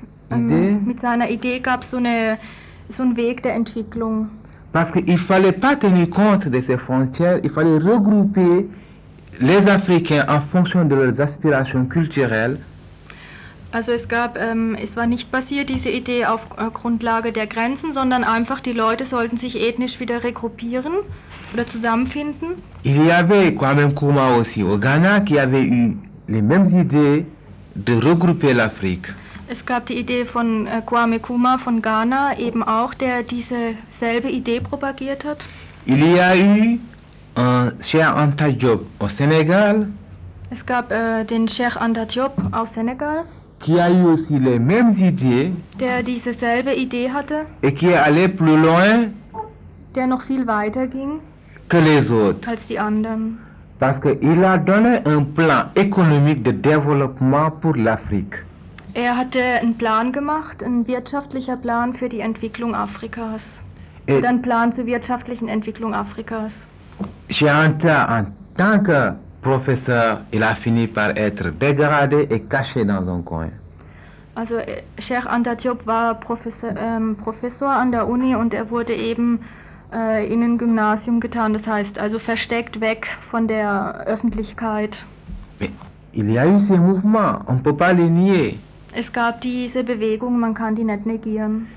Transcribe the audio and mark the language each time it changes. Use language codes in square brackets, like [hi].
[de] Mit seiner Idee gab es so einen Weg der Entwicklung. [fr] Parce qu'il fallait pas tenir compte de ses frontières, il fallait regrouper les Africains en fonction de leurs aspirations culturelles. [de] Also es gab, es war nicht basiert, diese Idee auf Grundlage der Grenzen, sondern einfach die Leute sollten sich ethnisch wieder regruppieren oder zusammenfinden. [fr] Il y avait Kwame Nkrumah aussi au Ghana qui avait eu les mêmes idées de regrouper l'Afrique. [de] Es gab die Idee von Kwame Nkrumah von Ghana eben auch, der diese selbe Idee propagiert hat. [fr] Il y a eu Cheikh Anta Diop au Sénégal. [de] Es gab den Cheikh Anta Diop aus Senegal. [fr] Qui a eu aussi les mêmes idées, [de] der diese selbe Idee hatte. [fr] Et qui est allé plus loin, [de] der noch viel weiter ging. [fr] Que les autres. [de] Als die anderen. [fr] Parce qu'il a donné un plan économique de développement pour l'Afrique. [de] Er hatte einen Plan gemacht, ein wirtschaftlicher Plan für die Entwicklung Afrikas. Et oder ein Plan zur wirtschaftlichen Entwicklung Afrikas. [fr] Cheikh Anta, en tant que professeur, il a fini par être dégradé et caché dans un coin. [de] Also Cheikh Anta Diop war Professor an der Uni und er wurde eben in ein Gymnasium getan, das heißt also versteckt weg von der Öffentlichkeit. [fr] Il y a eu ces mouvements, on peut pas les nier. [de] Es gab diese Bewegung, man kann die nicht negieren.